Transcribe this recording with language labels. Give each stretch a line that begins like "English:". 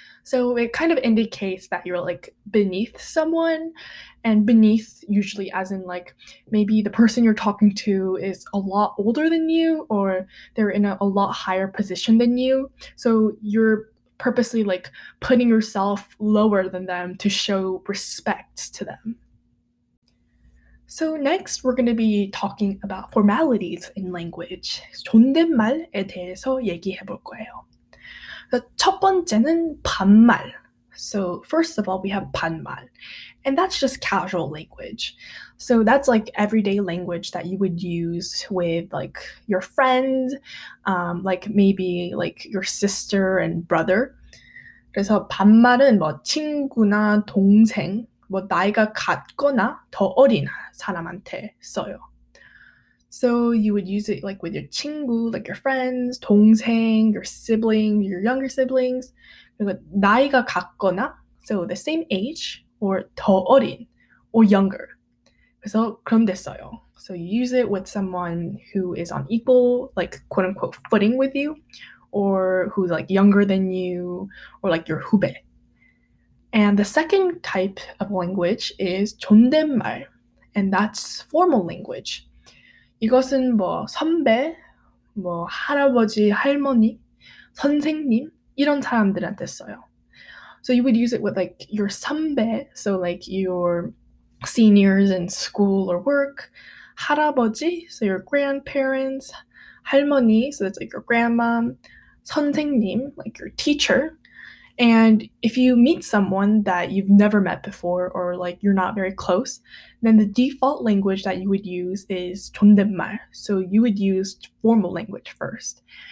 English: So it kind of indicates that you're like beneath someone, and beneath usually as in like maybe the person you're talking to is a lot older than you, or they're in a lot higher position than you. So you're purposely like putting yourself lower than them to show respect to them. So next, we're going to be talking about formalities in language.
Korean: 존댓말에 대해서 얘기해 볼 거예요. 첫 번째는 반말.
English: So first of all, we have 반말. And that's just casual language. So that's like everyday language that you would use with like your friend, like maybe like your sister and brother.
Korean: 그래서 반말은 뭐 친구나 동생, 뭐 나이가 같거나 더 어린 사람한테 써요.
English: So you would use it like with your 친구, like your friends, 동생, your sibling, your younger siblings.
Korean: 그리고 나이가 같거나,
English: so the same age, or
Korean: 더 어린,
English: or younger.
Korean: 그래서 그럼 됐어요.
English: So you use it with someone who is on equal, like quote-unquote footing with you, or who's like younger than you, or like your 후배. And the second type of language is 존댓말, and that's formal language.
Korean: 이것은 뭐 선배, 뭐 할아버지, 할머니, 선생님 이런 사람들한테 써요.
English: So you would use it with like your 선배, so like your seniors in school or work, 할아버지, so your grandparents, 할머니, so that's like your grandma, 선생님, like your teacher. And if you meet someone that you've never met before or like you're not very close, then the default language that you would use is 존댓말. So you would use formal language first.